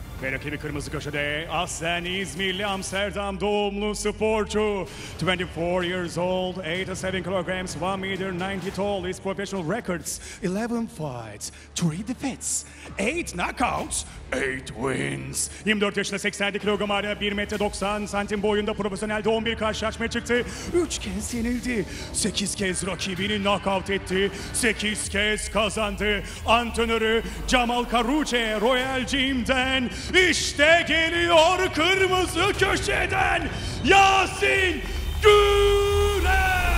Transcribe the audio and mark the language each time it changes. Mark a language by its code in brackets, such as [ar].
[tr] Ve rakibi kırmızı köşede Aslan İzmirli Amsterdam doğumlu sporcu. [en] 24 years old, 87 kilograms, 1 meter 90 tall. His professional records: 11 fights, 3 defeats, 8 knockouts, 8 wins. [tr] 24 yaşında, 87 kilogram ağırlığında, 1 metre 90 santim boyunda profesyonel doğum bir karşılaşmaya çıktı. 3 kez yenildi. 8 kez rakibini knockout etti. 8 kez kazandı. Antrenörü Jamal Karuche Royal Gym'den. İşte geliyor kırmızı köşeden Yasin Güren.